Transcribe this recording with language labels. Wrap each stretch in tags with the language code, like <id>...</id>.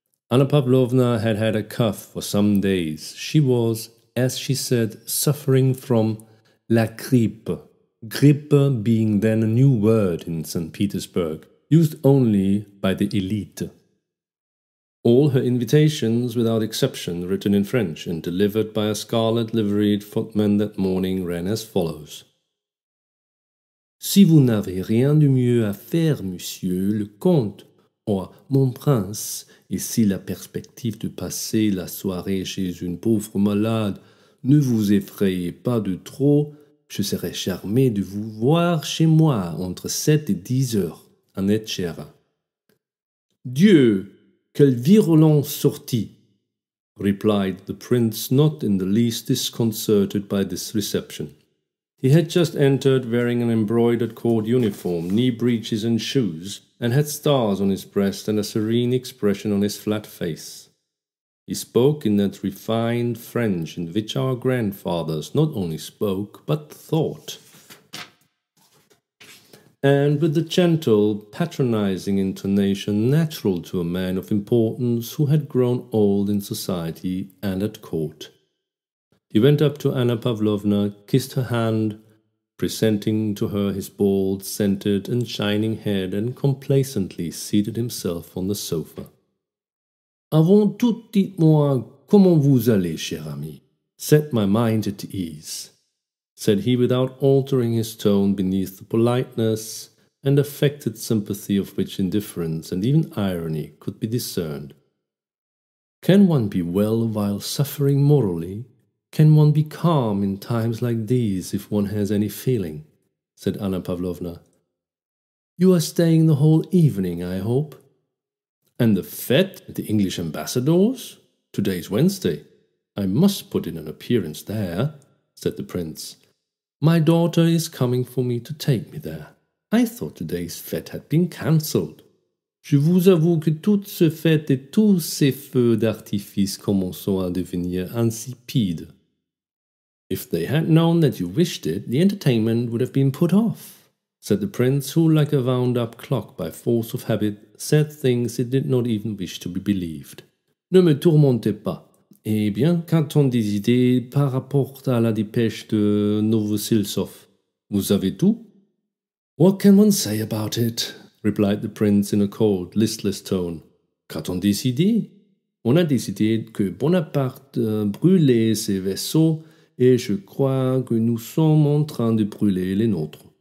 <en>Anna Pavlovna had had a cough for some days. She was, as she said, suffering from la grippe, grippe being then a new word in St. Petersburg, used only by the elite. All her invitations, without exception, written in French and delivered by a scarlet-liveried footman that morning, ran as follows.</en> <fr>Si vous n'avez rien de mieux à faire, monsieur le comte, ou mon prince, et si la perspective de passer la soirée chez une pauvre malade ne vous effraye pas de trop, je serai charmé de vous voir chez moi entre 7 et 10 heures, Annette Chera. Dieu, quelle virulente sortie!</fr> <en>Replied the prince, not in the least disconcerted by this reception. He had just entered wearing an embroidered court uniform, knee breeches and shoes, and had stars on his breast and a serene expression on his flat face. He spoke in that refined French in which our grandfathers not only spoke, but thought. And with the gentle, patronizing intonation natural to a man of importance who had grown old in society and at court. He went up to Anna Pavlovna, kissed her hand, presenting to her his bald, scented and shining head, and complacently seated himself on the sofa.</en> <fr>Avant tout, dites-moi comment vous allez, cher ami.</fr> <en>Set my mind at ease, said he without altering his tone beneath the politeness and affected sympathy of which indifference and even irony could be discerned. Can one be well while suffering morally? Can one be calm in times like these if one has any feeling? Said Anna Pavlovna. You are staying the whole evening, I hope. And the fete at the English ambassador's? Today's Wednesday. I must put in an appearance there, said the prince. My daughter is coming for me to take me there. I thought today's fete had been cancelled.</en> <fr>Je vous avoue que toute ce fête et tous ces feux d'artifice commençaient à devenir insipides.</fr> <en>If they had known that you wished it, the entertainment would have been put off, said the prince, who, like a wound-up clock by force of habit, said things it did not even wish to be believed.</en> <fr>Ne me tourmentez pas. Eh bien, qu'a-t-on des idées par rapport à la dépêche de Novosiltsov? Vous avez tout?</fr> <en>What can one say about it? Replied the prince in a cold, listless tone.</en> <fr>Qu'a-t-on des idées? On a décidé que Bonaparte brûlait ses vaisseaux, et je crois que nous sommes en train de brûler les nôtres.</fr>